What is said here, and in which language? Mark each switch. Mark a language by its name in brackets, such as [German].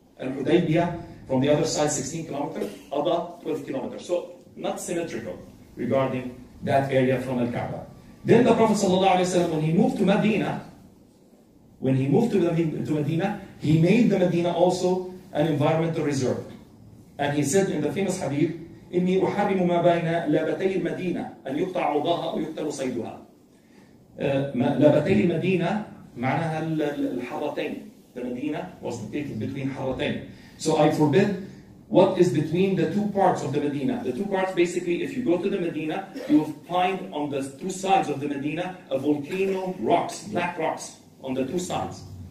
[English] Al-Hudaybiyah, from the other side, 16 kilometers. Adha, 12 kilometers. So, not symmetrical regarding that area from Al-Kaaba. Then the Prophet sallallahu alayhi wa sallam, when he moved to Medina, when he moved to Medina, he made the Medina also an environmental reserve. And he said in the famous hadith, [Arabic] إِنِّي أُحَرِّمُ مَا بَيْنَ لَبَتَيْ الْمَدِينَةِ أَنْ يُقْطَعْ عُضَاهَا وَيُقْتَلُ صَيْدُهَا. لَبَتَيْ الْمَدِينَةِ مَعْنَهَا الْحَرَتَيْنِ. [English] The Medina was located between حَرَتَيْنِ. So I forbid what is between the two parts of the Medina. The two parts, basically, if you go to the Medina, you will find on the two sides of the Medina a volcano rocks, black rocks on the two sides.